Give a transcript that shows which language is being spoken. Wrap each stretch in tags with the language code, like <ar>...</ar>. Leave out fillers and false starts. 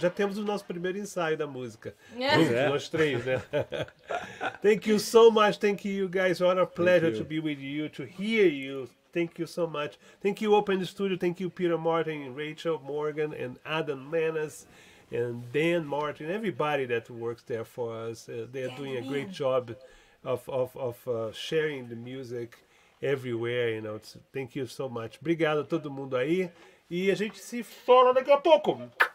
<pt>Já temos o nosso primeiro ensaio da música.</pt> <en>Yeah.</en> <pt>Nós três, né?</pt> <en>Thank you so much. Thank you, guys. What a pleasure to be with you, to hear you. Thank you so much. Thank you, Open Studio. Thank you, Peter Martin, Rachel Morgan, and Adam Manas, and Dan Martin, everybody that works there for us. They're doing a great job of sharing the music everywhere. You know, thank you so much.</en> <pt>Obrigado a todo mundo aí. E a gente se fala daqui a pouco.</pt>